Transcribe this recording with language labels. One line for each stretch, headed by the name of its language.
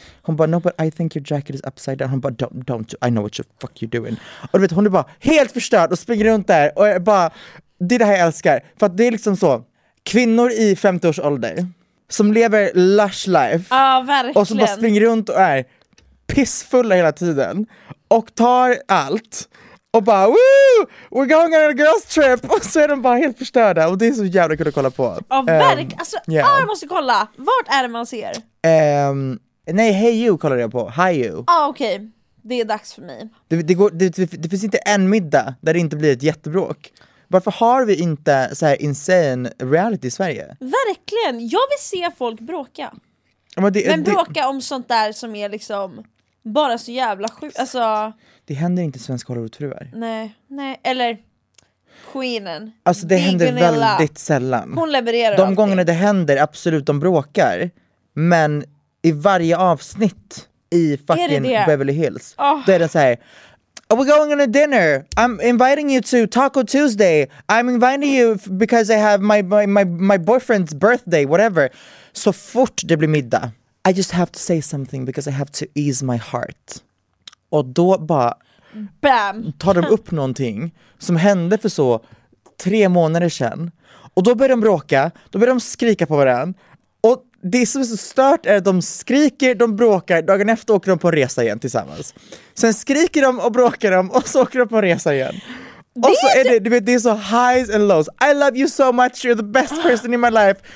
Swedish: Hon bara,
English: no, but I think your jacket is upside down. Hon bara, don't do, I know what you fuck you're doing.
Swedish: Och du vet, hon är bara helt förstörd och springer runt där. Och är bara, det är det här jag älskar. För att det är liksom så, kvinnor i 50 års ålder som lever
English: lush life.
Swedish: Ja, verkligen. Och som bara springer runt och är pissfulla hela tiden. Och tar allt. Och bara,
English: woo, we're going on a girls trip.
Swedish: Och så är de bara helt förstörda. Och det är så jävla kul att kolla på. Ja, verkligen. Alltså, jag måste kolla. Vart är det man ser? Nej, Hey You kollar jag på. Hi You. Ja, okej. Det är dags för mig. Det finns inte en middag där det inte blir ett jättebråk. Varför har vi inte så här
English: insane
Swedish: reality i Sverige? Verkligen. Jag vill se folk bråka. Men bråka om sånt där som är liksom bara så jävla sjukt. Alltså, det händer inte svenska Hollywood-fruar. Nej, eller queenen. Alltså det händer väldigt sällan. Hon levererar de allting. Gångerna det händer, absolut, de bråkar. Men i varje avsnitt i
English: fucking
Swedish: det? Beverly Hills. Oh. Då är det så här,
English: oh, we're going on a dinner. I'm inviting you to Taco Tuesday. I'm inviting you because I have my boyfriend's birthday, whatever.
Swedish: Så fort det blir middag.
English: I just have to say something because I have to ease my heart.
Swedish: Och då bara bam, tar de upp någonting som hände för så 3 månader sedan. Och då börjar de bråka, då börjar de skrika på varandra. Och det som är så stört är att de skriker, de bråkar. Dagen efter åker de på en resa igen tillsammans. Sen skriker de och bråkar dem och så åker de på en resa igen. Och så är det, du vet, det är så
English: highs and lows. I love you so much, you're the best person in my life.